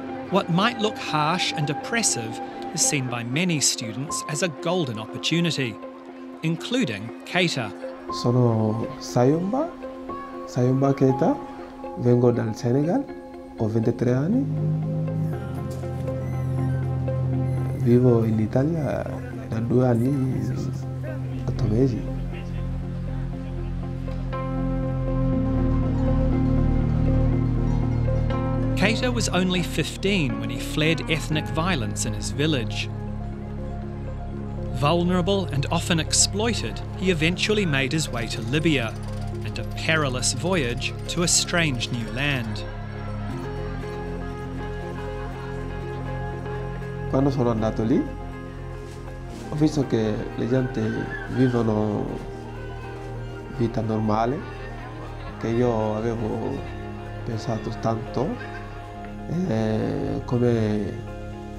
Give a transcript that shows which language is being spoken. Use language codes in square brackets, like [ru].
[en] What might look harsh and oppressive is seen by many students as a golden opportunity, including Keita. [it] Sono Sayomba, Sayomba Keita, vengo dal Senegal, ho 23 anni. Vivo in Italia da 2 anni, 8 mesi. [en] Keita was only 15 when he fled ethnic violence in his village. Vulnerable and often exploited, he eventually made his way to Libya and a perilous voyage to a strange new land. [it] Quando sono andato lì, ho visto che le gente vivono vita normale, che io avevo pensato tanto. Come